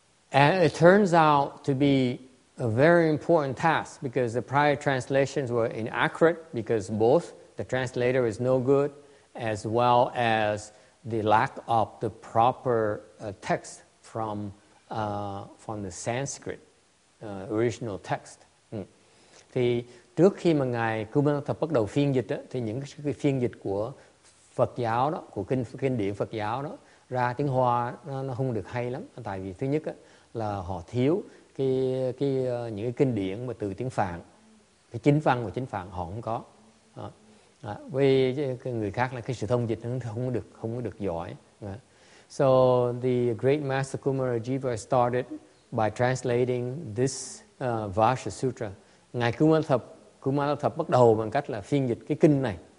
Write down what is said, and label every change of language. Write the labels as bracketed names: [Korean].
[English] And it turns out to be a very important task because the prior translations were inaccurate because both the translator is no good as well as the lack of the proper text from the Sanskrit original text. [Vietnamese] Thì trước khi mà ngài Kumara Thập bắt đầu phiên dịch đó, thì những cái phiên dịch của Phật giáo đó, của kinh điển Phật giáo đó ra tiếng Hoa nó không được hay lắm, tại vì thứ nhất đó, là họ thiếu những cái kinh điển mà từ tiếng Phạn, cái chính văn và chính Phạn họ không có. Với người khác là cái sự thông dịch nó không có được giỏi. [English] So the great master Kumara Jiva started by translating this Vajra Sutra. [Vietnamese] Ngài Kumara Thập bắt đầu bằng cách là phiên dịch cái kinh này.